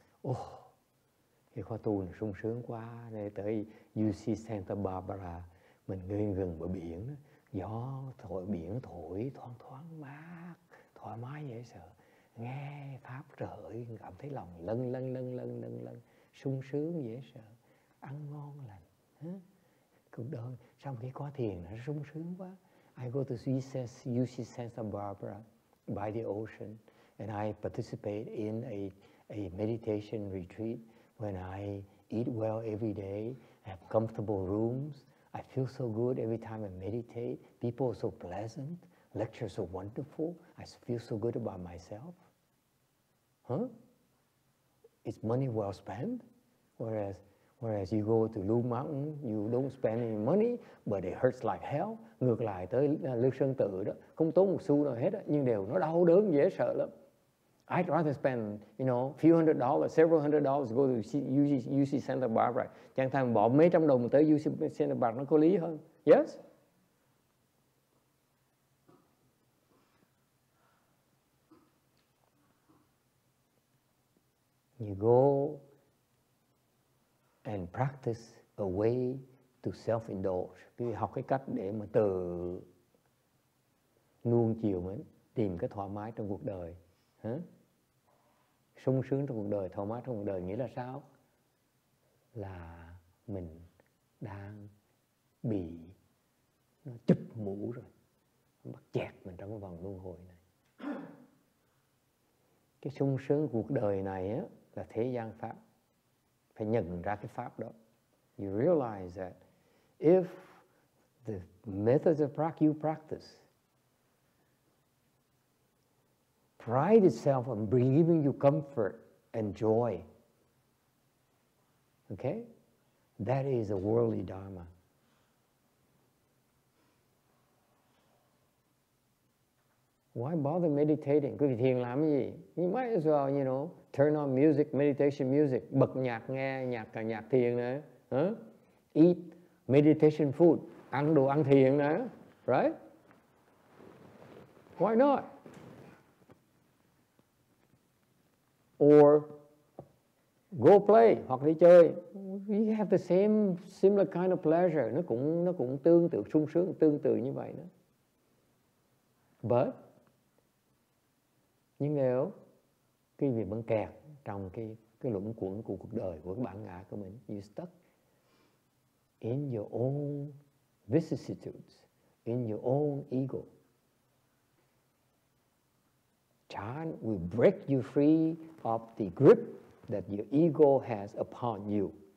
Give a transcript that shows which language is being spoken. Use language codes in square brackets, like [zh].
[vi] Oh, cái khóa tu này sung sướng quá. Để tới UC Santa Barbara, mình ngơi gần bờ biển, gió thổi biển thổi thoáng thoáng mát, thoải mái dễ sợ. Nghe pháp trời cảm thấy lòng lân lân lân lân lân lân, sung sướng dễ sợ, ăn ngon lành. Cuộc đời sau khi có thiền nó sung sướng quá. [en] I go to UC Santa Barbara by the ocean and I participate in a meditation retreat when I eat well every day, have comfortable rooms, I feel so good every time I meditate, people are so pleasant, lectures are wonderful, I feel so good about myself. Huh? It's money well spent. Whereas you go to Lu Mountain, you don't spend any money, but it hurts like hell. [vi] Ngược lại tới Lưu Sơn Tự đó, không tốn một xu nào hết á, nhưng đều nó đau đớn dễ sợ lắm. [en] I'd rather spend, you know, few hundred dollars, several hundred dollars to go to UC Santa Barbara. [vi] Chẳng thèm bỏ mấy trăm đồng tới UC Santa Barbara nó có lý hơn. [en] Yes? You go and practice a way to self-indulge. [vi] Quý vị học cái cách để mà tự nuông chiều mình, tìm cái thoải mái trong cuộc đời. Sung sướng trong cuộc đời, thoải mái trong cuộc đời nghĩa là sao? Là mình đang bị nó chụp mũ rồi, bắt chẹt mình trong cái vòng luân hồi này. Cái sung sướng cuộc đời này á, là thế gian pháp. Phải nhận ra cái pháp đó. [en] You realize that if the methods of practice you practice pride itself on giving you comfort and joy, okay, that is a worldly dharma. Why bother meditating? [vi] Quý vị thiền làm gì? [en] You might as well, you know, turn on music, meditation music, [vi] bật nhạc nghe, nhạc cả nhạc thiền nữa. [en] Eat meditation food, [vi] ăn đồ ăn thiền nữa. [en] Right? Why not? Or go play, [vi] hoặc đi chơi. [en] You have the same similar kind of pleasure. [vi] Nó cũng tương tự, sung sướng, tương tự như vậy đó. [en] But [vi] nhưng nếu cái việc vẫn kẹt trong cái luẩn quẩn của cuộc đời, của cái bản ngã của mình, [en] you stuck in your own vicissitudes, in your own ego, chan will break you free of the grip that your ego has upon you.